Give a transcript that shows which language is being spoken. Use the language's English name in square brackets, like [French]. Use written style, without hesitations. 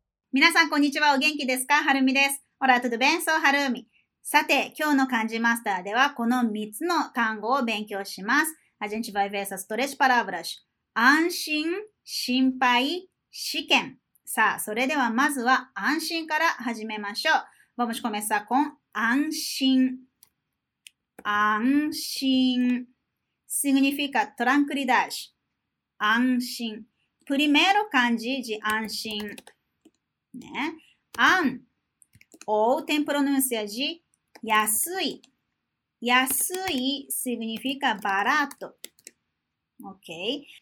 [Japanese] 皆さん、こんにちは。お元気ですか？はるみです。ほら、とどべんそう、はるみ。さて、今日の漢字マスターでは、この3つの単語を勉強します。 [Portuguese] A gente vai ver essas três palavras。 [Japanese] 安心、心配、試験。さあ、それではまずは安心から始めましょう。 [Portuguese] Vamos começar com 安心。安心。Significa tranquilidade。 安心。 Primeiro [Japanese] 漢字で安心。 [Portuguese] ね、安ou tem pronúncia de 安い安い significa barato、okay?